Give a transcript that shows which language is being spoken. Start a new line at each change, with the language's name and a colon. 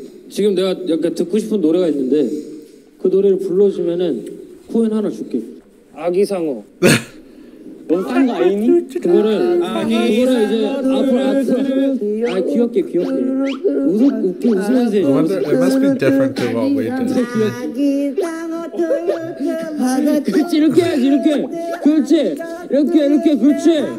Korean: 지금 내가 약간 듣고 싶은 노래가 있는데 그 노래를 불러주면은 코인 하나 줄게. 아기상어. 넌 딴 거 아니니? 그거를 이제 앞으로 아 귀엽게 웃기 웃으면서 해.
English: It must be different to what we do.
Korean: 그렇지 이렇게 해야지 이렇게. 그렇지 이렇게 이렇게 그렇지.